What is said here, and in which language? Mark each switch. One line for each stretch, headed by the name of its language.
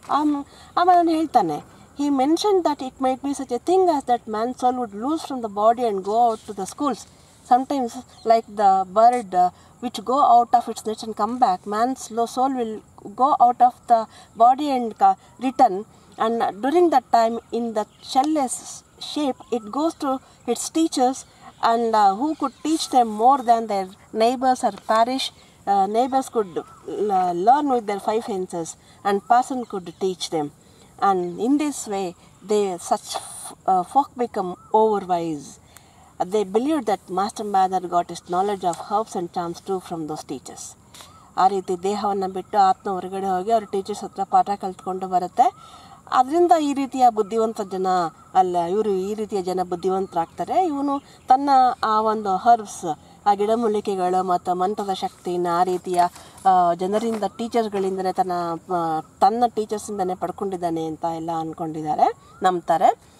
Kannada: ಆಮೇಲೆ ಅವನು ಹೇಳ್ತಾನೆ
English: He mention that it might be such a thing as that man soul would loose from the body and go out to the schools sometimes like the bird which go out of its nest and come back man slow soul will go out of the body and return and during that time in the shellless shape it goes to its teachers and who could teach them more than their neighbours or parish neighbors could learn with their five senses, and person could teach them. And in this way, they such folk become overwise. They believed that Master Marner got his knowledge of herbs and charms too from those teachers.
Kannada: ಆ ರೀತಿ ದೇಹವನ್ನು ಬಿಟ್ಟು ಆತ್ಮ ಹೊರಗಡೆ ಹೋಗಿ ಅವ್ರ teachers ಹತ್ರ ಪಾಠ ಕಲ್ತ್ಕೊಂಡು ಬರುತ್ತೆ. ಅದರಿಂದ ಈ ರೀತಿಯ ಬುದ್ಧಿವಂತ ಜನ ಅಲ್ಲ ಇವರು ಈ ರೀತಿಯ ಜನ ಬುದ್ಧಿವಂತರಾಗ್ತಾರೆ. ಇವನು ತನ್ನ ಆ ಒಂದು ಹರ್ಬ್ಸ್, ಆ ಗಿಡಮೂಲಿಕೆಗಳು ಮತ್ತು ಮಂತ್ರದ ಶಕ್ತಿಯನ್ನು ಆ ರೀತಿಯ ಜನರಿಂದ ಟೀಚರ್ಸ್ಗಳಿಂದಲೇ ತನ್ನ ಟೀಚರ್ಸಿಂದಲೇ ಪಡ್ಕೊಂಡಿದ್ದಾನೆ ಅಂತ ಎಲ್ಲ ಅಂದ್ಕೊಂಡಿದ್ದಾರೆ, ನಂಬ್ತಾರೆ.